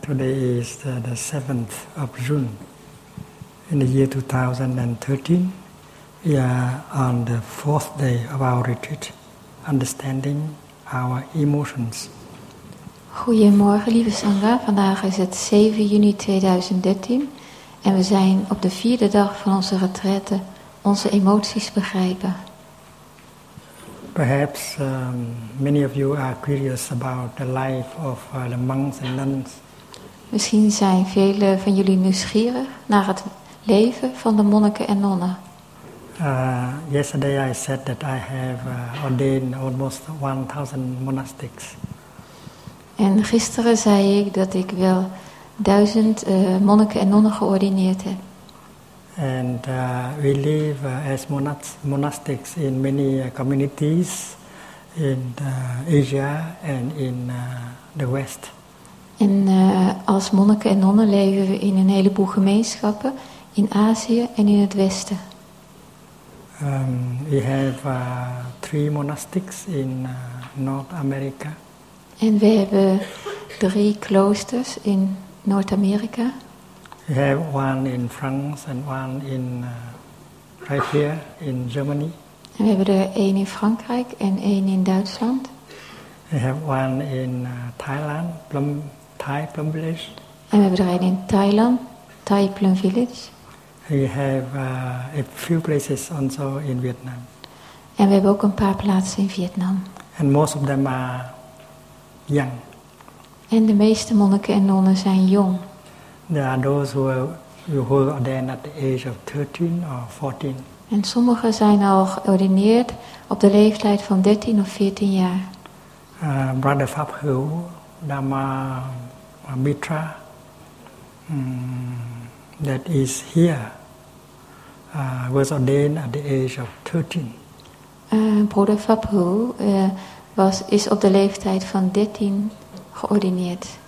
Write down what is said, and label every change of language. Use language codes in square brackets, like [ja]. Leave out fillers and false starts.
[en] Today is the 7th of June in the year 2013. We are on the fourth day of our retreat, understanding our emotions. [nl] Goedemorgen, lieve Sangha. Vandaag is het 7 juni 2013 en we zijn op de vierde dag van onze retraite onze emoties begrijpen. [en] Perhaps many of you are curious about the life of the monks and nuns. [nl] Misschien zijn velen van jullie nieuwsgierig naar het leven van de monniken en nonnen. [en] Yesterday I said that I have ordained almost 1,000 monastics. [nl] En gisteren zei ik dat ik wel 1,000 monniken en nonnen geordineerd heb. [en] And we live as monastics in many communities in Asia and in the West. [nl] En als monniken en nonnen leven we in een heleboel gemeenschappen in Azië en in het Westen. [en] We have 3 monastics in North America. [nl] En we hebben 3 kloosters in Noord-Amerika. [en] We have one in France and one in right here in Germany. [nl] En we hebben er 1 in Frankrijk en 1 in Duitsland. [en] We have one in Thailand, Thai Plum Village. [nl] En we hebben er 1 in Thailand, Thai Plum Village. [en] We have a few places also in Vietnam. [nl] En we hebben ook een paar plaatsen in Vietnam. [en] And most of them are young. [nl] En de meeste monniken en nonnen zijn jong. [en] There are those who are ordained at the age of 13 or 14. [nl] En sommigen zijn al geordineerd op de leeftijd van 13 of 14 jaar. [en] Brother Pháp Hữu Dhamma Mitra, that is here, was ordained at the age of 13. [nl] Brother Pháp Hữu is op de leeftijd van 13 geordineerd.